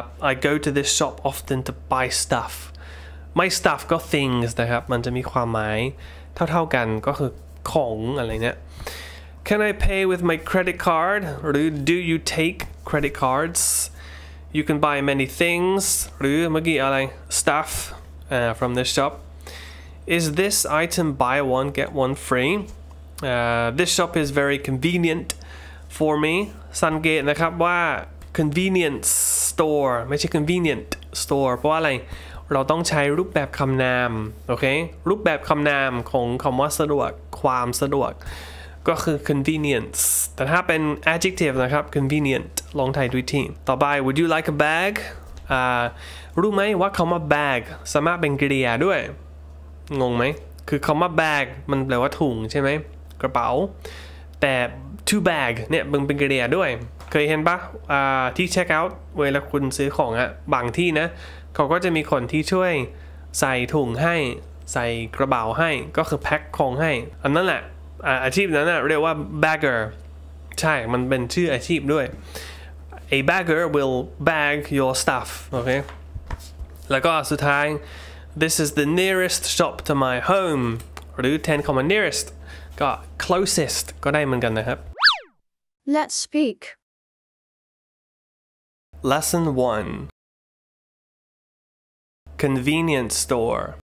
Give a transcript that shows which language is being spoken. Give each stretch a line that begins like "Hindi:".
English: I go to this shop often to buy stuff my stuff
Thai: ก็
English: things
Thai: นะครับมันจะมีความหมายเท่าๆกันก็คือของอะไรเนี่ย
English: Can I pay with my credit card
Thai: หรือ
English: Do you take credit cards You can buy many things
Thai: หรือเมื่อกี้อะไร
English: stuff from this shopIs this item buy one get one free? This shop is very convenient for me.
Thai: สังเกตนะครับว่า convenience store ไม่ใช่ convenient store เพราะอะไรเราต้องใช้รูปแบบคำนามโอเครูปแบบคำนามของคำว่าสะดวกความสะดวกก็คือ convenience แต่ถ้าเป็น adjective นะครับ convenient ลองไทยด้วยทีต่อไป
English: Would you like a bag?
Thai: รู้ไหมว่าคำว่า bag สามารถเป็นกริยาด้วยงงไหมคือคำว่า bag มันแปลว่าถุงใช่ไหมกระเป๋า แต่ to bag เนี่ยมันเป็นกริยาด้วยเคยเห็นปะที่ check out เวลาคุณซื้อของอะบางที่นะเขาก็จะมีคนที่ช่วยใส่ถุงให้ใส่กระเป๋าให้ก็คือแพ็คของให้อันนั้นแหละอาชีพนั้นอะเรียกว่า bagger ใช่มันเป็นชื่ออาชีพด้วย
English: a bagger will bag your stuff
Thai: โอเคแล้วก็สุดท้าย
English: This is the nearest shop to my home.
Thai: หรือ
English: 10 comma nearest. Got closest.
Thai: ก็ได้เหมือนกันนะครับ.
English: Let's speak. Lesson 1. Convenience store.